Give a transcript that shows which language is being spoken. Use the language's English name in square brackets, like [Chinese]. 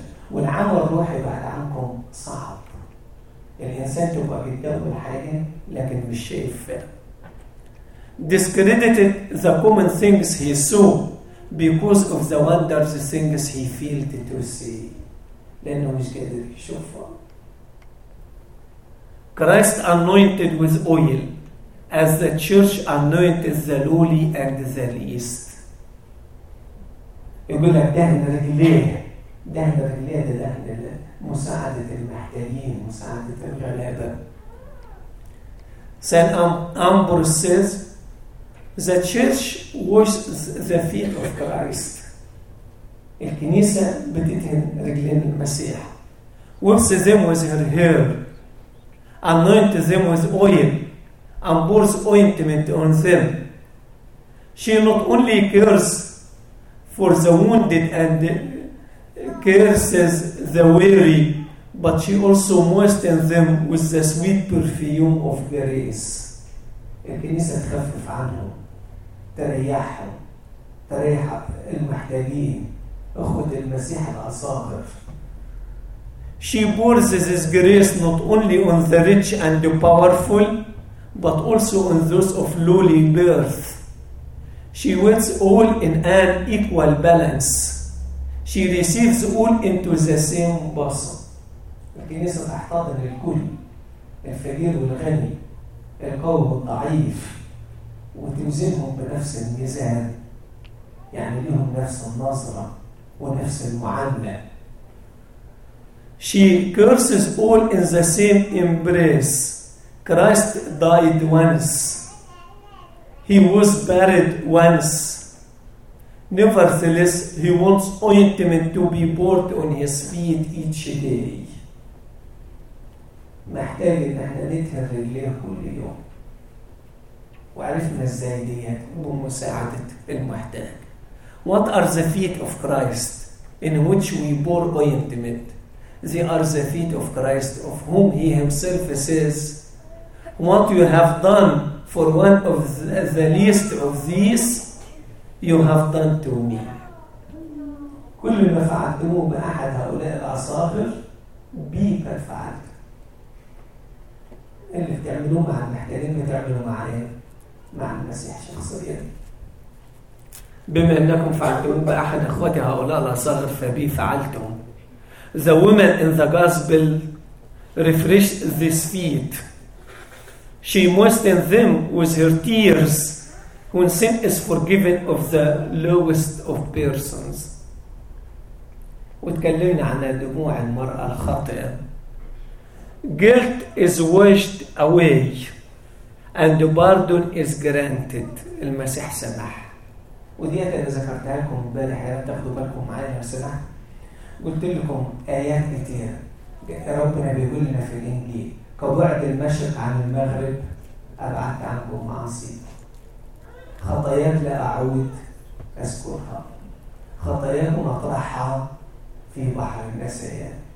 [Arabic] والعمى الروحي بعد عنكم صعب. الإنسان تبقى بيتدرب الحاجة لكن مش شايف فيها. [English] Discredited the common things he saw because of the wonders things he failed to see. [Arabic] لأنه مش قادر يشوفها. [English] Christ anointed with oil as the church anointed the lowly and the least. [Arabic] يقول لك دهن رجليه، دهن رجليه ده دهن الله. مساعدة المحتاجين، مساعدة الغلابة. [English] Saint Ambrose says the church washes the feet of Christ. [Arabic] الكنيسة بتدهن رجلين المسيح. [English] Washes them with her hair. Anoint them with oil and pours ointment on them. She not only cares for the wounded and curses the weary, but she also moistens them with the sweet perfume of grace. [Arabic] الكنيسة تخفف عنهم، تريحهم، تريح المحتاجين، أخوة المسيح الأصاغر. [English] She pours this grace not only on the rich and the powerful, but also on those of lowly birth. She weighs all in an equal balance. She receives all into the same bosom. [Arabic] الكنيسة تحتضن الكل، الفقير والغني، القوي والضعيف، وتوزنهم بنفس الميزان، يعني لهم نفس النظرة ونفس المعاملة. [English] She curses all in the same embrace. Christ died once. He was buried once. Nevertheless, he wants ointment to be poured on his feet each day. [Arabic] محتاج ان احنا ندهن رجليه كل يوم. وعرفنا ازاي ديت بمساعدة المحتاج. [English] What are the feet of Christ in which we pour ointment? They are the feet of Christ of whom he himself says, what you have done for one of the least of these, you have done to me. [Arabic] كل ما فعلتموه بأحد هؤلاء الأصاغر بي قد فعلت. اللي بتعملوه مع المحتاجين بتعملوه معايا، مع المسيح شخصيا. بما أنكم فعلتموه بأحد أخواتي هؤلاء الأصاغر فبي فعلتم. [English] The woman in the gospel refreshed this feet. She moistened them with her tears when sin is forgiven of the lowest of persons. [Arabic] وتكلمنا عن دموع المرأة الخاطئة. [English] guilt is washed away and pardon is granted. [Arabic] المسيح سمح. وديت انا ذكرتها لكم امبارح، يا تاخدوا بالكم معايا لو سمحت. قلت لكم ايات كتير ربنا بيقول لنا في الانجيل، كبعد المشرق عن المغرب ابعدت عنكم معاصي، خطايات لا اعود اذكرها، خطاياكم اطرحها في بحر النسيان.